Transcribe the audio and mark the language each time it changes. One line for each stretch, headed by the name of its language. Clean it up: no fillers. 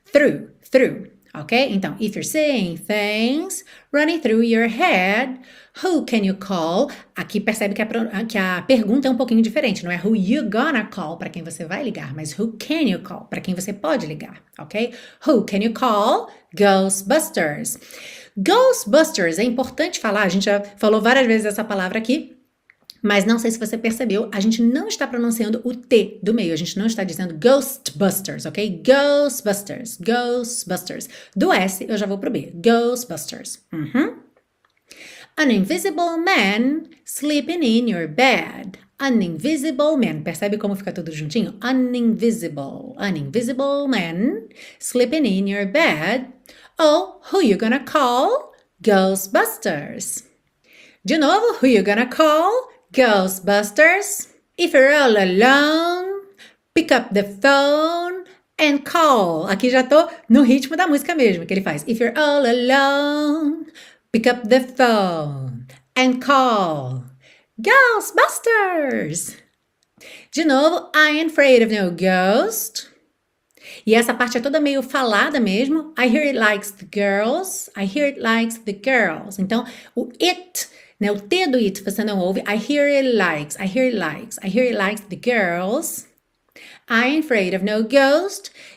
English: Through, through. Ok?
Portuguese: Então,
English: if you're seeing things running through your head, who can you call?
Portuguese: Aqui percebe que a pergunta é um pouquinho diferente. Não é
English: who you gonna call,
Portuguese: para quem você vai ligar, mas
English: who can you call,
Portuguese: para quem você pode ligar. Ok?
English: Who can you call?
Portuguese: Ghostbusters. Ghostbusters, é importante falar, a gente já falou várias vezes essa palavra aqui, mas não sei se você percebeu, a gente não está pronunciando o T do meio, a gente não está dizendo Ghostbusters, ok? Ghostbusters, Ghostbusters. Do S eu já vou pro B.
English: Ghostbusters. An invisible man sleeping in your bed. An invisible man.
Portuguese: Percebe como fica tudo juntinho?
English: An invisible man sleeping in your bed. Oh, who you gonna call? Ghostbusters.
Portuguese: De novo,
English: who you gonna call? Ghostbusters. If you're all alone, pick up the phone and call.
Portuguese: Aqui já tô no ritmo da música mesmo, que ele faz.
English: If you're all alone, pick up the phone and call. Ghostbusters.
Portuguese: De novo,
English: I ain't afraid of no ghost.
Portuguese: E essa parte é toda meio falada mesmo.
English: I hear it likes the girls. I hear it likes the girls.
Portuguese: Então, o it, né? O T do it você não ouve.
English: I hear it likes. I hear it likes. I hear it likes the girls. I ain't afraid of no ghost.